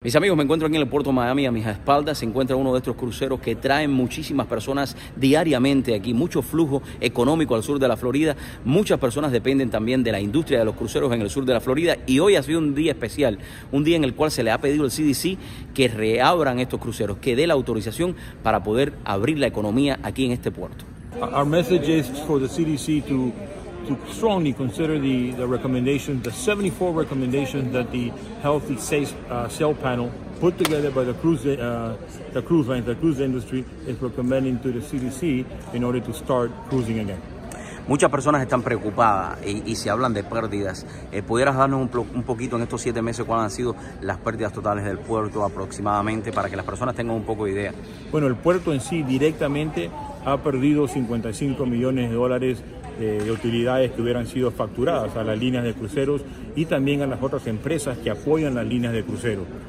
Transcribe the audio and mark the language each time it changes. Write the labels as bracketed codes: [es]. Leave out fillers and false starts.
[es] Mis amigos, me encuentro aquí en el puerto de Miami. A mis espaldas se encuentra uno de estos cruceros que traen muchísimas personas diariamente aquí, mucho flujo económico al sur de la Florida. Muchas personas dependen también de la industria de los cruceros en el sur de la Florida, y hoy ha sido un día especial, un día en el cual se le ha pedido al CDC que reabran estos cruceros, que dé la autorización para poder abrir la economía aquí en este puerto. [en] Our message is for the CDC to strongly consider the recommendation, the 74 recommendations that the Healthy Safe Sail Panel put together by the cruise industry is recommending to the CDC in order to start cruising again. [es] Muchas personas están preocupadas y se hablan de pérdidas. ¿Pudieras darnos un poquito en estos 7 meses cuáles han sido las pérdidas totales del puerto aproximadamente para que las personas tengan un poco de idea? Bueno, el puerto en sí directamente ha perdido 55 millones de dólares de utilidades que hubieran sido facturadas a las líneas de cruceros y también a las otras empresas que apoyan las líneas de cruceros.